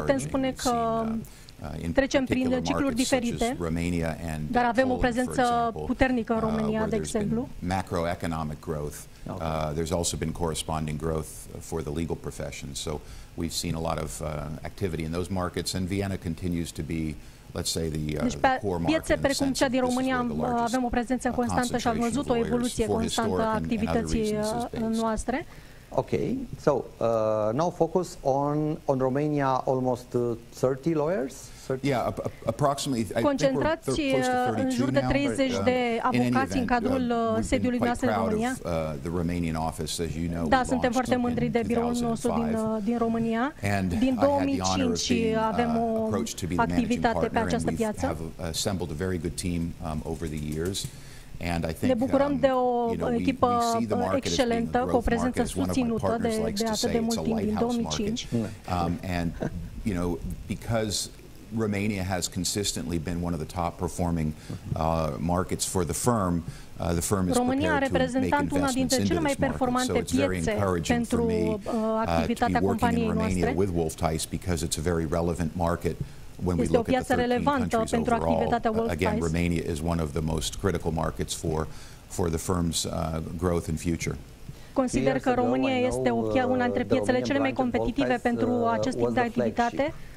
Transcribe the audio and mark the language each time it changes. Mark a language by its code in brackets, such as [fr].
[ro] Putem spune că trecem prin cicluri diferite, dar avem o prezență puternică în România, de exemplu. [en] Macroeconomic growth. There's also been corresponding growth for the legal profession, so we've seen a lot of activity in those markets, and Vienna continues to be, let's say, the core market. [ro] Piețe precum cea din România avem o prezență constantă și am văzut o evoluție constantă a activității noastre. [en] Okay, so now focus on Romania, almost 30 lawyers. Approximately. [ro] Concentrați în jur de 30 de avocați în cadrul sediului nostru în România. [en] The Romanian office, as you know, [ro] da, suntem foarte mândri de biroul nostru din România. Din 2005 avem o activitate pe această piață. [en] We've assembled a very good team over the years. And I think, [ro] ne bucurăm de o echipă excelentă, cu o prezență susținută de atât de mult timp, din 2005. [en] And, you know, because Romania has consistently been one of the top performing markets for the firm, the firm is [ro] România [en] prepared [ro] a reprezentat una dintre cele mai performante piețe pentru activitatea companiei noastre. [en] Because it's a very relevant market. When we look at the 13 countries overall, again, Romania is one of the most critical markets for the firm's growth and future. [ro] Consider că România este una dintre piețele cele mai competitive pentru acest tip de activitate.